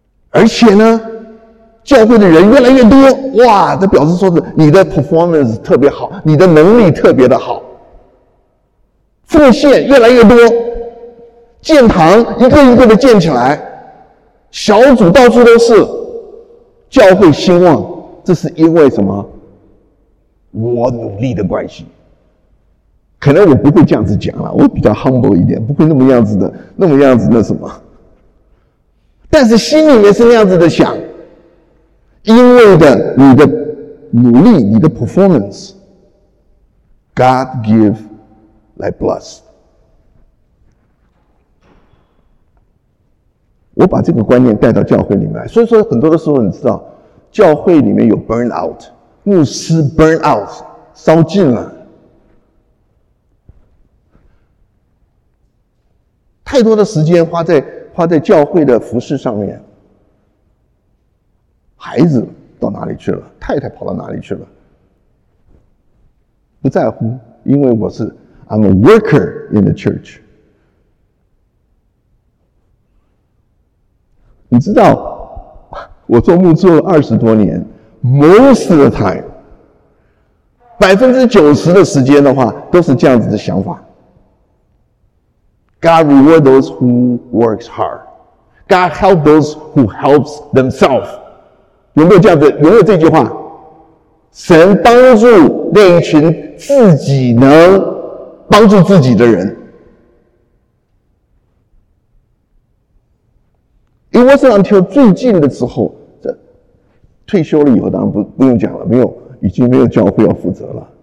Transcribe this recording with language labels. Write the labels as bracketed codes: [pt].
[zh] 而且呢教会的人越来越多，哇，这表示说是你的 performance 特别好，你的能力特别的好，奉献越来越多，建堂一个一个的建起来，小组到处都是，教会兴旺，这是因为什么？我努力的关系。可能我不会这样子讲了，我比较 humble 一点，不会那么样子的什么，但是心里面是那样子的想。因为的你的努力，你的 performance， [en] God give like bless。 [zh] 我把这个观念带到教会里面来，所以说很多的时候你知道教会里面有 burn out， 牧师 burn out 烧尽了，太多的时间花在教会的服事上面，孩子到哪里去了，太太跑到哪里去了，不在乎，因为我是 [en] I'm a worker in the church。 [zh] 你知道我做牧师二十多年， [en] most of the time [zh] 90% 的时间的话都是这样子的想法。 [en] God reward those who works hard， God help those who helps themselves。 [zh] 有没有这样子？有没有这句话？神帮助那一群自己能帮助自己的人。 [en] It wasn't until [zh] 最近的时候，这退休了以后，当然不用讲了，没有，已经没有教会要负责了。